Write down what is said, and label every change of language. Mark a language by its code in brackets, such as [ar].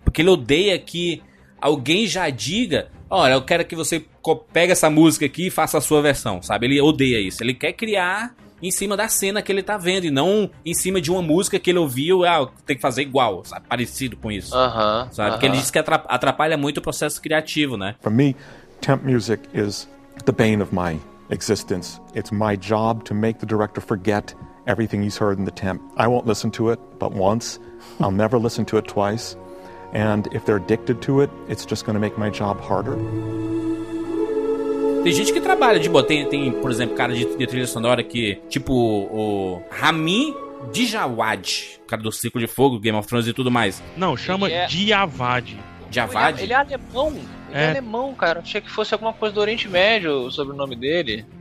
[pt] Porque ele odeia que alguém já diga, olha, eu quero que você pegue essa música aqui e faça a sua versão, sabe? Ele odeia isso. Ele quer criar em cima da cena que ele tá vendo e não em cima de uma música que ele ouviu. Tem que fazer igual, sabe? Parecido com isso. Sabe? Porque ele diz que atrapalha muito o processo criativo, né? Para mim, [en] temp music is the bane of my existence. It's my job to make the director forget everything he's heard in the temp. I won't listen to it but once. I'll never listen to it twice. And if they're addicted to it, it's just going to make my job harder. [pt] Tem gente que trabalha de boa. Tem, por exemplo, cara de trilha sonora que, tipo, o Rami Djawadi, cara do Círculo de Fogo, Game of Thrones e tudo mais. Não, chama Djawadi. Djawadi? Ele é alemão. Ele é alemão, cara. Achei que fosse alguma coisa do Oriente Médio sobre o sobrenome dele.